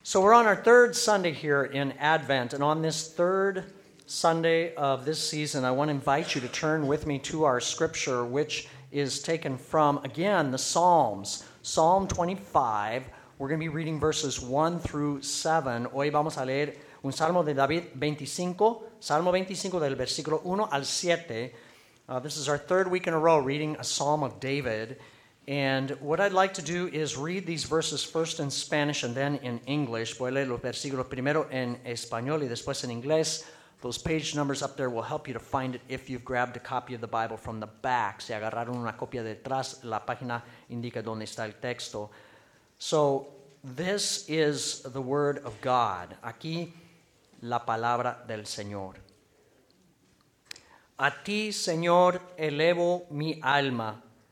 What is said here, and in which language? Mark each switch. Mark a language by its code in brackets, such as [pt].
[en] So we're on our third Sunday here in Advent, and on this third Sunday of this season, I want to invite you to turn with me to our scripture, which is taken from, again, the Psalms, Psalm 25. We're going to be reading verses 1 through 7. [es] Hoy vamos a leer un Salmo de David 25, Salmo 25 del versículo 1 al 7. [en] This is our third week in a row reading a Psalm of David. And what I'd like to do is read these verses first in Spanish and then in English. [es] Voy a leer los versículos primero en español y después en inglés. [en] Those page numbers up there will help you to find it if you've grabbed a copy of the Bible from the back. [es] Si agarraron una copia detrás, la página indica dónde está el texto. [en] So this is the word of God. [es] Aquí la palabra del Señor. A ti, Señor, elevo mi alma.